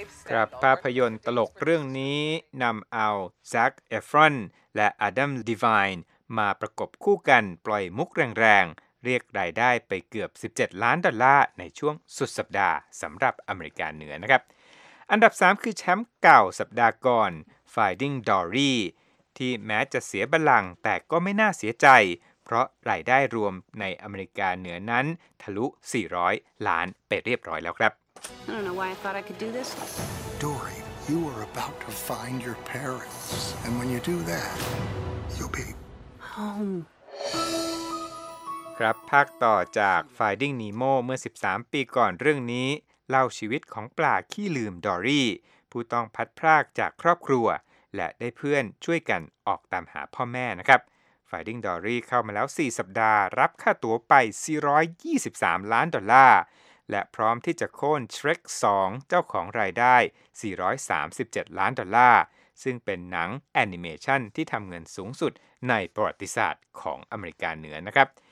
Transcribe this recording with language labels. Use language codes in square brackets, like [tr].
[th] ครับภาพยนตร์ตลกเรื่องนี้นำเอาแซคเอฟรอนและอดัมดีไวน์มาประกบคู่กันปล่อยมุกแรงๆเรียกรายได้ไปเกือบ17ล้านดอลลาร์ในช่วงสุดสัปดาห์สำหรับอเมริกาเหนือนะครับอันดับ3คือแชมป์เก่าสัปดาห์ก่อน Finding Dory ที่แม้จะเสียบัลลังก์แต่ก็ไม่น่าเสียใจเพราะรายได้รวมในอเมริกาเหนือนั้นทะลุ400ล้านไปเรียบร้อยแล้วครับ [en] I don't know why I thought I could do this. Dory, you are about to find your parents. And when you do that, you'll be home. [th] ครับภาคต่อจาก Finding Nemo เมื่อ13ปีก่อนเรื่องนี้เล่าชีวิตของปลาขี้ลืมดอรี่ผู้ต้องพัดพรากจากครอบครัวและได้เพื่อนช่วยกันออกตามหาพ่อแม่นะครับ Finding Dory เข้ามาแล้ว4สัปดาห์รับค่าตั๋วไป423ล้านดอลลาร์และพร้อมที่จะโค่น Shrek 2เจ้าของรายได้437ล้านดอลลาร์ซึ่งเป็นหนังแอนิเมชันที่ทำเงินสูงสุดในประวัติศาสตร์ของอเมริกาเหนือนะครับ